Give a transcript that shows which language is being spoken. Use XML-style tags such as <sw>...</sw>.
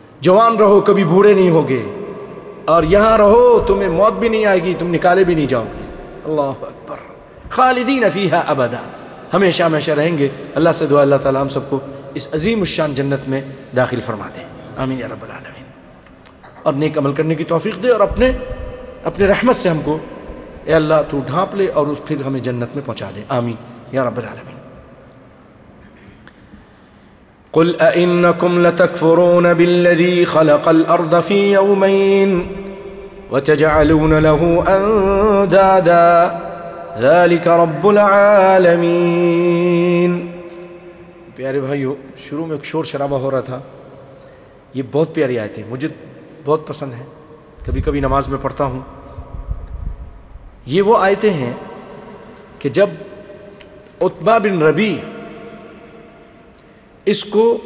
<ur>جوان رہو، کبھی بوڑھے نہیں ہوگے، اور یہاں رہو، تمہیں موت بھی نہیں آئے گی، تم نکالے بھی نہیں جاؤ گے۔ اللہ اکبر۔</ur> <ar>خالدین فیہا ابدا،</ar> <ur>ہمیشہ ہمیشہ رہیں گے۔ اللہ سے دعا، اللہ تعالیٰ ہم سب کو اس عظیم الشان جنت میں داخل فرما دے، آمین یا رب العالمین، اور نیک عمل کرنے کی توفیق دے، اور اپنے رحمت سے ہم کو اے اللہ تو ڈھانپ لے، اور اس پھر ہمیں جنت میں پہنچا دے، آمین یا رب العالمین۔</ur> <ar>قل أئنكم لتكفرون بالذي خلق الأرض في يومين وتجعلون له أندادا ذلك رب العالمين۔</ar> <ur>پیارے بھائیو، شروع میں ایک شور شرابہ ہو رہا تھا، یہ بہت پیاری آیت ہے، مجھے بہت پسند ہے، کبھی کبھی نماز میں پڑھتا ہوں۔ یہ وہ آیتیں ہیں کہ جب عتبہ بن ربیع اس کو</ur>